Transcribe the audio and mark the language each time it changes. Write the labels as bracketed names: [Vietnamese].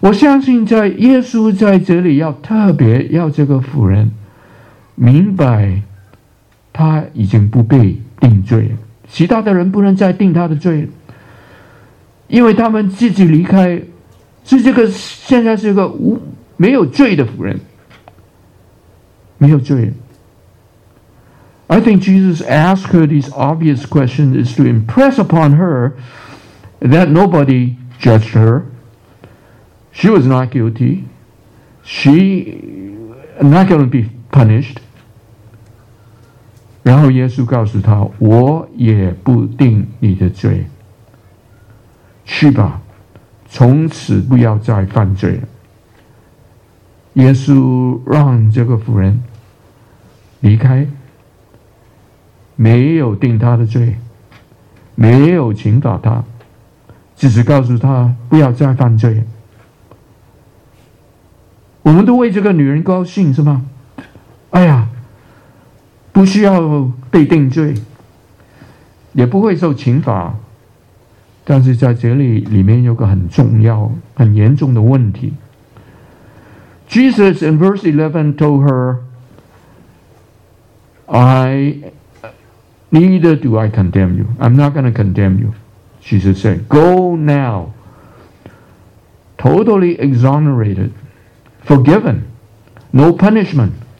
[Chinese] 我相信在耶稣在这里要特别要这个妇人明白，她已经不被定罪，其他的人不能再定她的罪，因为他们自己离开，是这个现在是一个没有罪的妇人，没有罪。 [English] I think Jesus asked her these obvious questions is to impress upon her that nobody judged her. She was not guilty. She not going to be punished. [Chinese] 然后耶稣告诉她，我也不定你的罪。去吧，从此不要再犯罪了。耶稣让这个妇人离开，没有定他的罪，没有惩罚他，只是告诉他不要再犯罪。我们都为这个女人高兴是吗？哎呀，不需要被定罪，也不会受惩罚。但是在这里面有个很重要很严重的问题。 [English] Jesus in verse 11 told her, neither do I condemn you. I'm not going to condemn you. Jesus said, go now. Totally exonerated. Forgiven. No punishment.